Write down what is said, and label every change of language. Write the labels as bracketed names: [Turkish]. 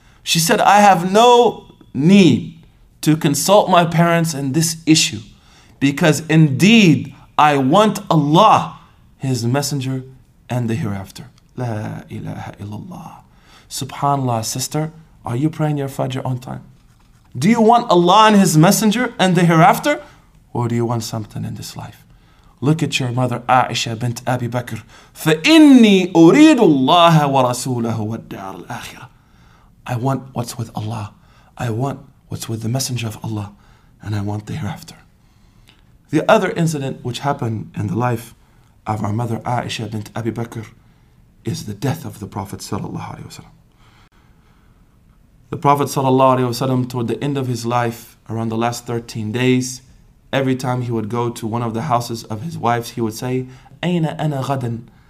[English] She said, I have no need to consult my parents in this issue, because indeed I want Allah, His Messenger, and the hereafter. La ilaha illallah. SubhanAllah, sister, are you praying your Fajr on time? Do you want Allah and His Messenger and the hereafter? Or do you want something in this life? Look at your mother Aisha bint Abi Bakr. [Arabic] فَإِنِّي أُرِيدُ اللَّهَ وَرَسُولَهُ وَالدَّارَ الْآخِرَةِ [English] I want what's with Allah. I want what's with the Messenger of Allah. And I want the hereafter. The other incident which happened in the life of our mother Aisha bint Abi Bakr is the death of the Prophet sallallahu alaihi wasallam. The Prophet sallallahu alaihi wasallam, toward the end of his life, around the last 13 days, every time he would go to one of the houses of his wives, he would say, [Arabic] Aina ana ghadan?